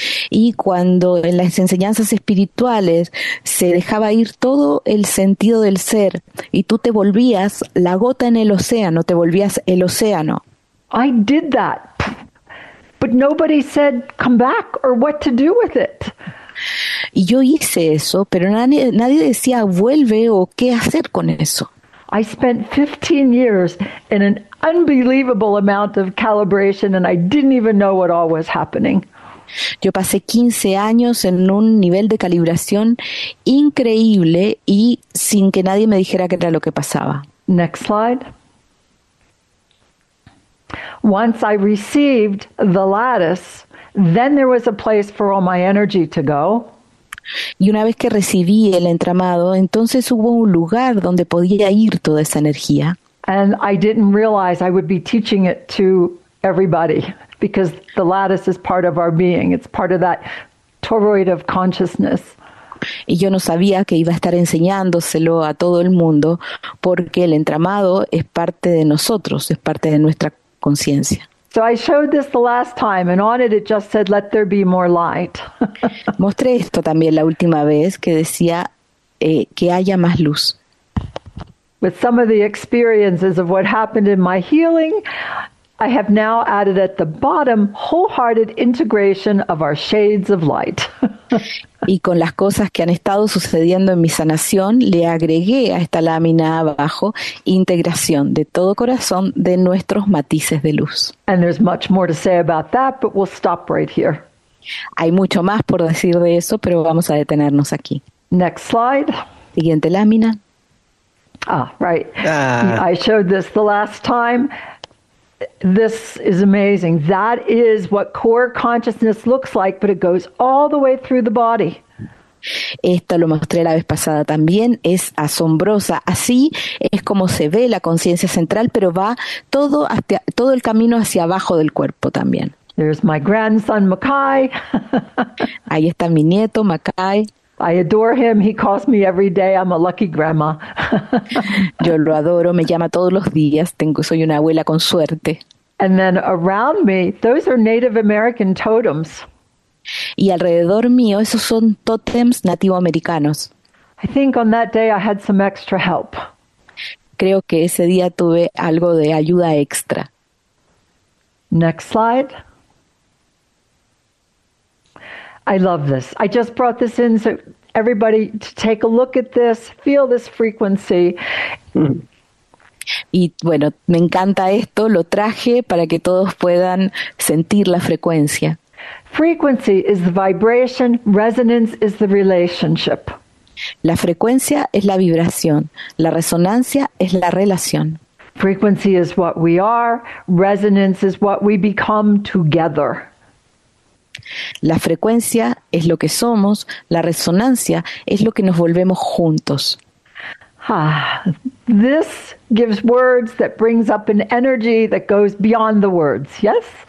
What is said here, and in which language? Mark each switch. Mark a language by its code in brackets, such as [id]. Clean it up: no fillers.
[es] Y cuando en las enseñanzas espirituales se dejaba ir todo el sentido del ser y tú te volvías la gota en el océano, te volvías el océano. [en] I did that, but nobody said come back or what to do with it. [es] Y yo hice eso, pero nadie decía vuelve o qué hacer con eso. [en] I spent 15 years in an unbelievable amount of calibration and I didn't even know what all was happening. [es] Yo pasé 15 años en un nivel de calibración increíble y sin que nadie me dijera qué era lo que pasaba. [en] Next slide. Once I received the lattice, then there was a place for all my energy to go. [es] Y una vez que recibí el entramado, entonces hubo un lugar donde podía ir toda esa energía. [en] And I didn't realize I would be teaching it to everybody. Because the lattice is part of our being. It's part of that toroid of consciousness. [es] Y yo no sabía que iba a estar enseñándoselo a todo el mundo porque el entramado es parte de nosotros, es parte de nuestra conciencia. [en] So I showed this the last time and on it it just said, let there be more light. [es] Mostré esto también la última vez que decía que haya más luz. [en] With some of the experiences of what happened in my healing, I have now added at the bottom wholehearted integration of our shades of light. [es] Y con las cosas que han estado sucediendo en mi sanación, le agregué a esta lámina abajo integración de todo corazón de nuestros matices de luz. [en] And there's much more to say about that, but we'll stop right here. [es] Hay mucho más por decir de eso, pero vamos a detenernos aquí. [en] Next slide. [es] Siguiente lámina. [en] Ah, right. I showed this the last time. This is amazing. That is what core consciousness looks like, but it goes all the way through the body. [es] Esto lo mostré la vez pasada también. Es asombrosa. Así es como se ve la conciencia central, pero va todo hasta todo el camino hacia abajo del cuerpo también. [en] There's my grandson, Makai. [es] Ahí está mi nieto, Makai. [en] I adore him. He calls me every day. I'm a lucky grandma. [es] Yo lo adoro. Me llama todos los días. Soy una abuela con suerte. [en] And then around me, those are Native American totems. [es] Y alrededor mío, esos son tótems nativoamericanos. [en] I think on that day I had some extra help. [es] Creo que ese día tuve algo de ayuda extra. [en] Next slide. I love this. I just brought this in so everybody to take a look at this, feel this frequency. [es] Y bueno, me encanta esto, lo traje para que todos puedan sentir la frecuencia. [en] Frequency is the vibration, resonance is the relationship. [es] La frecuencia es la vibración, la resonancia es la relación. [en] Frequency is what we are, resonance is what we become together. [es] La frecuencia es lo que somos, la resonancia es lo que nos volvemos juntos. [en] Ah, this gives words that brings up an energy that goes beyond the words, yes?